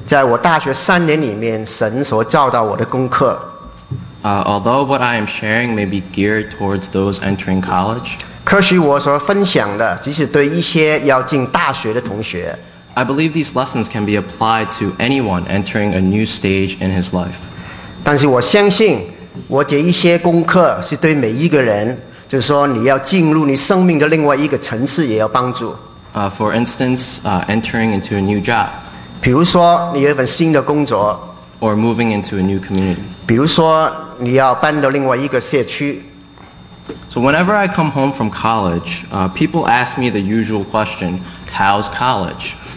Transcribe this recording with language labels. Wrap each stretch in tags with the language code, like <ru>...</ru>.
<zh>我很感谢有这个机会，在我大学三年里面，神所教导我的功课。</zh> <en>Although what I am sharing may be geared towards those entering college,</en> <zh>可许我所分享的，即使对一些要进大学的同学。</zh> <en>I believe these lessons can be applied to anyone entering a new stage in his life.</en> <zh>但是我相信，我这一些功课是对每一个人。</zh> <en>For instance, entering into a new job.</en> <zh>比如说你有一份新的工作,</zh> <en>or moving into a new community.</en> <zh>比如说你要搬到另外一个社区,</zh> <en>so whenever I come home from college, people ask me the usual question, how's college?</en>